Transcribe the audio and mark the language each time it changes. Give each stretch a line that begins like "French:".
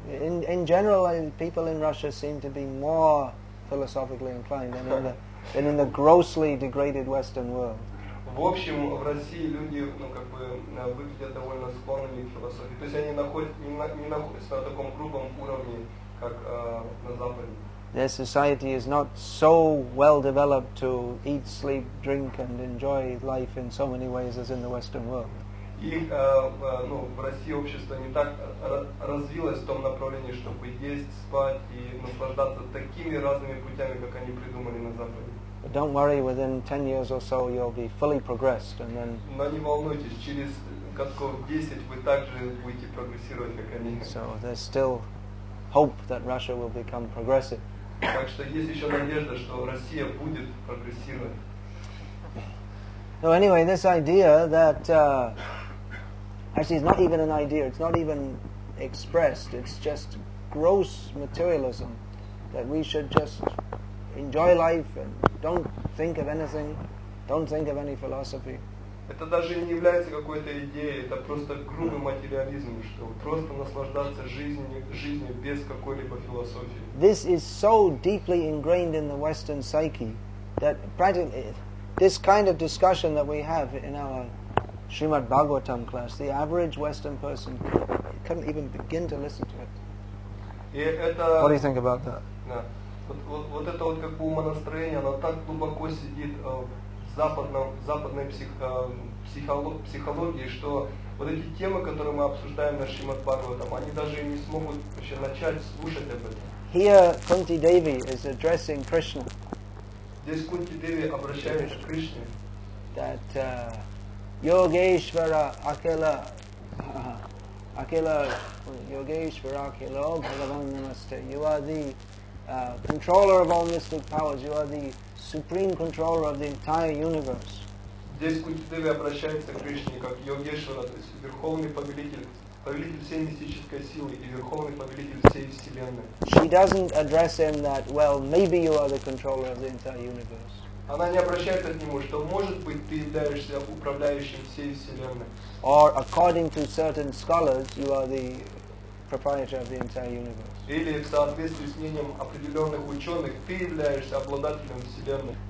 English: In general, people in Russia seem to be more philosophically inclined than in the grossly degraded Western world.
Russian: В общем, в России люди, ну как бы, выглядят довольно склонными к философии. То есть они не находятся на таком грубом уровне, как на Западе.
English: Their society is not so well developed to eat, sleep, drink, and enjoy life in so many ways as in the Western world.
Russian: В России общество не так развилось в том направлении, чтобы есть, спать и наслаждаться такими разными путями, как они придумали на Западе.
English: But don't worry, within 10 years or so you'll be fully progressed and then...
Russian: Но не волнуйтесь, через годков 10 вы также будете прогрессировать, как они.
English: So there's still hope that Russia will become progressive.
Russian: Так что есть еще надежда, что Россия будет прогрессировать.
English: So anyway, this idea that actually it's not even an idea, it's not even expressed, it's just gross materialism, that we should just enjoy life and don't think of anything, don't think of any philosophy.
Russian: Это даже не является какой-то идеей, это просто грубый материализм, что просто наслаждаться жизнью без какой-либо философии.
English: This is so deeply ingrained in the Western psyche that practically this kind of discussion that we have in our Srimad Bhagavatam class, the average Western person couldn't even begin to listen to it. What do you think about that?
Russian: Вот это вот как бы умонастроение, оно так глубоко сидит в западной психологии, что вот эти темы, которые мы обсуждаем на Srimad Bhagavatam, они даже не смогут вообще начать слушать об этом.
English: Here Kunti Devi is addressing Krishna.
Russian: Здесь Кунти Деви обращается к Кришне.
Sanskrit: That Yogeshvara Akela Akhila Yogeshwara Akhilo Bhagavan Namaste.
English: You are the controller of all mystic powers. You are the supreme controller of the entire universe.
Russian: Здесь Кутидеви обращается к Кришне как Йогешвара, то есть верховный повелитель, повелитель всей мистической силы и верховный повелитель всей вселенной.
English: She doesn't address him that, well, maybe you are the controller of the entire universe.
Russian: Она не обращается к нему, что, может быть, ты являешься управляющим всей вселенной.
English: Or according to certain scholars, you are the proprietor of the entire universe.
Russian: Или в соответствии с мнением определенных ученых, ты являешься обладателем вселенной.